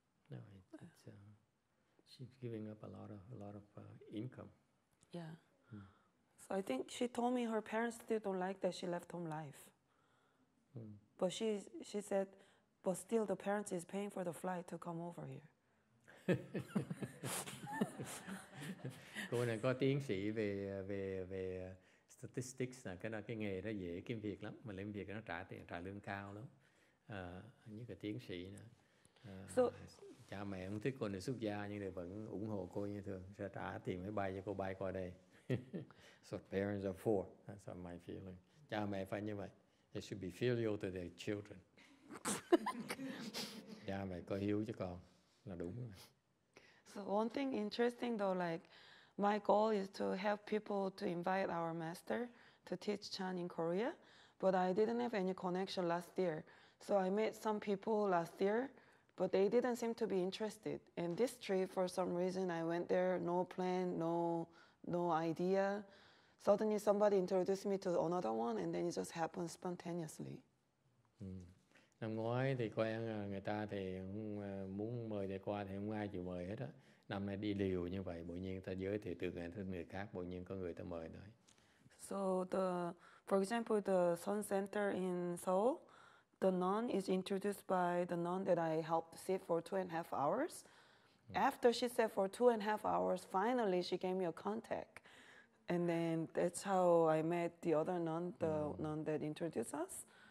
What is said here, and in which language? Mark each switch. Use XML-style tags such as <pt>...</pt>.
<en>No, it's she's giving up a lot of income. Yeah. So I think she told me her parents still don't like that she left home life. Mm. But she said, but still the parents is paying for the flight to come over here.</en> <vi>Cô này có tiến sĩ về statistics, là cái nghề đó dễ kiếm việc lắm, mà làm việc nó trả tiền, trả lương cao lắm. Như cái tiến sĩ nữa.</vi> <en>So,</en> <vi>cha mẹ không thích cô này xuất gia nhưng mà vẫn ủng hộ cô như thường, sẽ trả tiền máy bay cho cô bay qua đây.</vi> <en>So parents are poor. That's not my feeling.</en> <vi>Cha mẹ phải như vậy.</vi> <en>They should be filial to their children.</en> <vi>Cha mẹ có hiếu cho con là đúng.</vi> <en>So one thing interesting though, like my goal is to help people to invite our master to teach Chan in Korea, but I didn't have any connection last year. So I met some people last year, but they didn't seem to be interested. And this trip, for some reason, I went there, no plan, no idea. Suddenly somebody introduced me to another one and then it just happened spontaneously.</en> <vi>Năm ngoái thì quen người ta thì muốn mời thầy qua thì không ai chịu mời hết á. Năm nay đi liều như vậy, bỗng nhiên ta giới thiệu từ ngày tới người khác, bỗng nhiên có người ta mời nói.</vi> <en>So for example, the Sun Center in Seoul, the nun is introduced by the nun that I helped sit for 2.5 hours. After she said for 2.5 hours, finally she gave me a contact. And then that's how I met the other nun, the nun that introduced us.</en>